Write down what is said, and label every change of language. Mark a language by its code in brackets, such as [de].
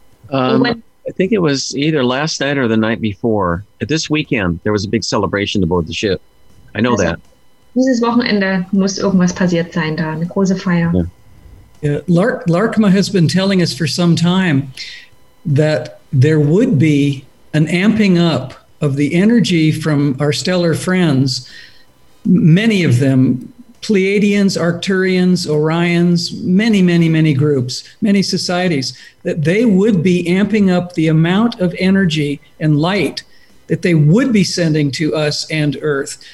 [en] I think it was either last night or the night before. At this weekend, there was a big celebration aboard the ship. I know that. [de] Dieses Wochenende muss irgendwas passiert sein da, eine große Feier. [en] Larkma has been telling us for some time that there would be an amping up of the energy from our stellar friends, many of them, Pleiadians, Arcturians, Orions, many, many, many groups, many societies, that they would be amping up the amount of energy and light that they would be sending to us and Earth.